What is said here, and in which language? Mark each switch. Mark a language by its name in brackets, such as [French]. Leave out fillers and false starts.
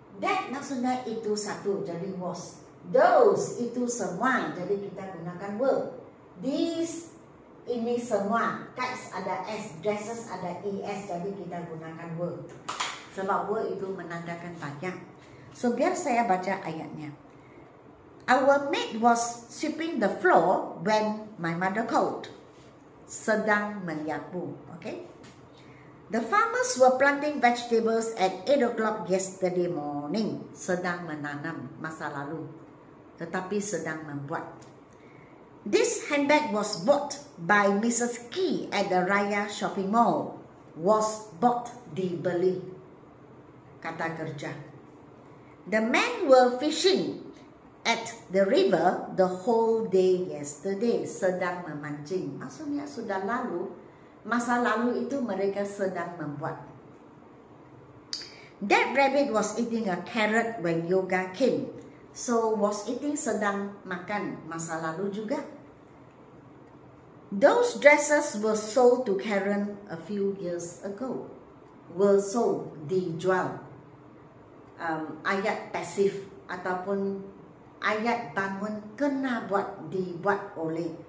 [Malay] That maksudnya itu satu, jadi was. Those itu semua, jadi kita gunakan were. These ini semua, kites ada S, dresses ada ES, jadi kita gunakan were. Sebab were itu menandakan banyak. So biar saya baca ayatnya. [English] Our maid was sweeping the floor when my mother called. [Malay] Sedang menyapu, [English] okay? The farmers were planting vegetables at 8 o'clock yesterday morning. [Malay] Sedang menanam masa lalu, tetapi sedang membuat. [English] This handbag was bought by Mrs. Key at the Raya Shopping Mall. [Malay] Was bought, dibeli. Kata kerja. [English] The men were fishing at the river the whole day yesterday. [Malay] Sedang memancing. Maksudnya sudah lalu. Masa lalu itu mereka sedang membuat. [English] That rabbit was eating a carrot when Yoga came. [Malay] So was eating, sedang makan. Masa lalu juga. [English] Those dresses were sold to Karen a few years ago. [Malay] Were sold, dijual. Ayat passive ataupun ayat bangun, kena buat, dibuat oleh.